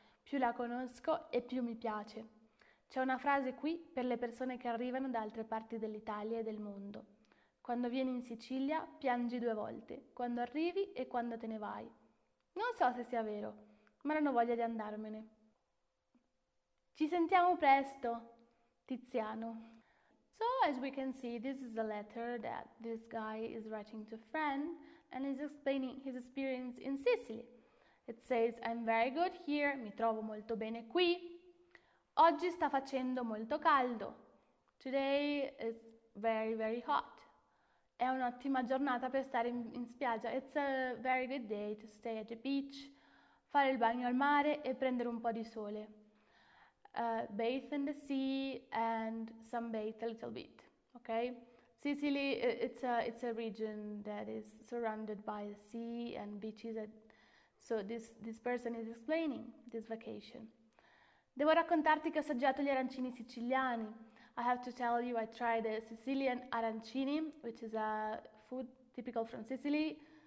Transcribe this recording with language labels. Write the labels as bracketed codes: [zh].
[it] Più la conosco e più mi piace. C'è una frase qui per le persone che arrivano da altre parti dell'Italia e del mondo. Quando vieni in Sicilia, piangi due volte, quando arrivi e quando te ne vai. Non so se sia vero, ma non ho voglia di andarmene. Ci sentiamo presto, Tiziano. [en] So, as we can see, this is a letter that this guy is writing to a friend and is explaining his experience in Sicily. It says, I'm very good here, [it] mi trovo molto bene qui. Oggi sta facendo molto caldo. [en] Today is very, very hot. [it] È un'ottima giornata per stare in spiaggia. [en] It's a very good day to stay at the beach, [it] fare il bagno al mare e prendere un po' di sole. [en] Bathe in the sea and sunbathe a little bit, okay? Sicily, it's a region that is surrounded by the sea and beaches. So this person is explaining this vacation. [it] Devo raccontarti che ho assaggiato gli arancini siciliani. [en] I have to tell you I tried the Sicilian arancini, which is a food typical from Sicily.